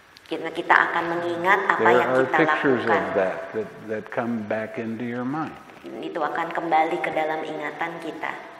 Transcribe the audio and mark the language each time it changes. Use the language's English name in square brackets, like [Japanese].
[Indonesian] Kita akan mengingat apa yang kita lakukan. [English] There are pictures of that come back into your mind. [Indonesian] Itu akan kembali ke dalam ingatan kita.